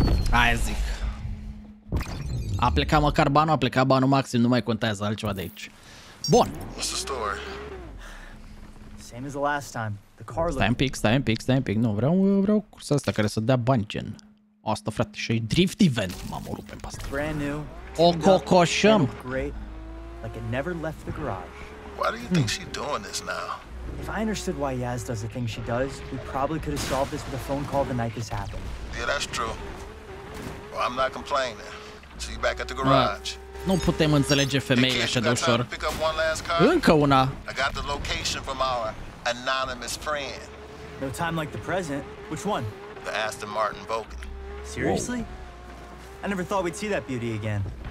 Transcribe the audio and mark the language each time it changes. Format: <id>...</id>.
<ro>Aia zic. A plecat măcar banul, a plecat banul maxim, nu mai contează altceva de aici. Bun.</ro> <en>Same as the last time. The car looks.</en> <ro>Stai un pic. Nu, vreau cursa asta care să dea bani, gen. Asta, frate, și drift event, mamă, rupem pe asta.</ro> <en>Brand new.</en> <ro>O cocoșăm.</ro> <en>Like it never left the garage. Why do you think she's doing this now? If I understood why Yaz does the thing she does, we probably could have solved this with a phone call the night this happened. Yeah, that's true. Well, I'm not complaining. See you back at the garage.</en> <ro>Nu putem înțelege femeile așa de ușor. Încă una.</ro> <en>I got the location from our anonymous friend. No time like the present. Which one? The Aston Martin Vulcan. Seriously? I never thought we'd see that beauty again.</en>